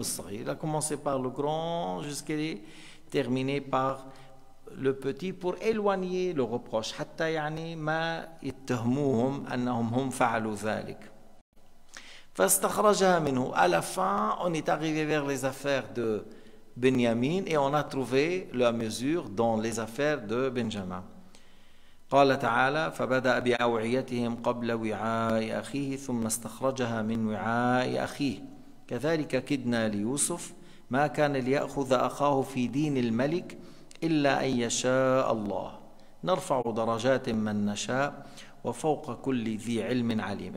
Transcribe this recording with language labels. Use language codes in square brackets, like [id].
[fr] Il a commencé par le grand jusqu'à terminer par le petit pour éloigner le reproche. [ar] حتى يعني ما يتهموهم أنهم هم فعلوا ذلك. فاستخرجها منه. [fr] À la fin, on est arrivé vers les affaires de Benjamin et on a trouvé la mesure dans les affaires de Benjamin. [ar] قال تعالى فبدأ بأوعيتهم قبل وعاء أخيه ثم استخرجها من وعاء أخيه كذلك كدنا ليوسف ما كان ليأخذ أخاه في دين الملك إلا أن يشاء الله نرفع درجات من نشاء وفوق كل ذي علم عليم.